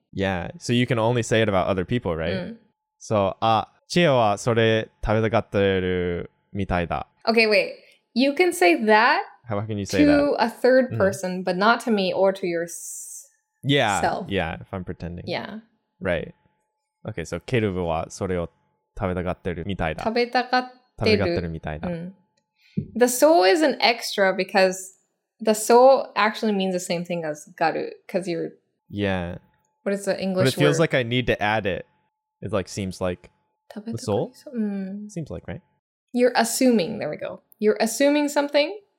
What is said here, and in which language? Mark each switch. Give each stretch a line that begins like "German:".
English: Yeah, so you can only say it about other people, right? Mm. So,
Japanese: チエはそれ食べたがってるみたいだ.
English: Okay, wait. You can say that how can you say that? A third person, mm-hmm. but not to me or to yourself. Yeah, yeah, if I'm pretending. Yeah. Right. Okay, so
Japanese: ケルブはそれを食べたがってるみたいだ. 食べたがってる。食べたがってるみたいだ.
English: Mm. The so is an extra because... The so actually means the same thing as garu, because you're... Yeah. What is the English word? But it feels word? Like I need to add it. It like seems like... The soul? Mm. Seems like, right? You're assuming. There we go. You're assuming something.